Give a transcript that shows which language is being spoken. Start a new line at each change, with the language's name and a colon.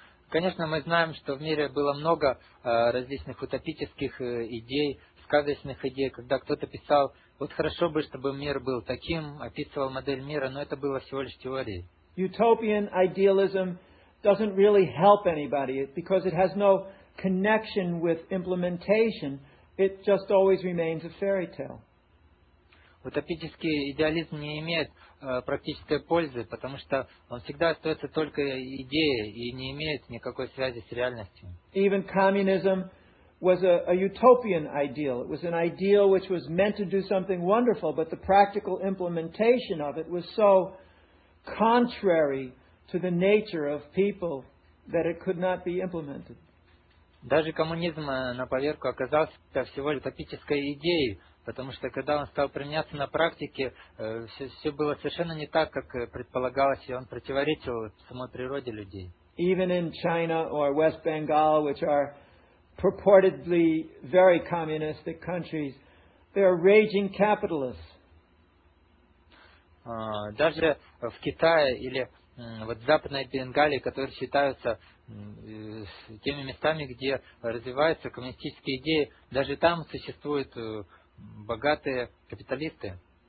Russian: Конечно, мы знаем, что в мире было много различных утопических идей, сказочных идей, когда кто-то писал, вот хорошо бы, чтобы мир был таким, описывал модель мира, но это было всего лишь теорией.
English: Utopian idealism doesn't really help anybody because it has no connection with implementation. It just always remains a fairy tale.
Russian: Утопический идеализм не имеет практической пользы, потому что он всегда остается только идеей и не имеет никакой связи с реальностью.
English: Even communism was a utopian ideal. It was an ideal which was meant to do something wonderful, but the practical implementation of it was so contrary to the nature of people that it could not be implemented.
Russian: Даже коммунизм на поверку оказался всего лишь утопической идеей, потому что когда он стал применяться на практике, все было совершенно не так, как предполагалось, и он противоречил самой природе людей.
English: Even in China or West Bengal, which are purportedly very communistic countries, they are raging capitalists.
Russian: Даже в Китае или вот в Западной Бенгалии, которые считаются теми местами, где развиваются коммунистические идеи, даже там существуют богатые капиталисты.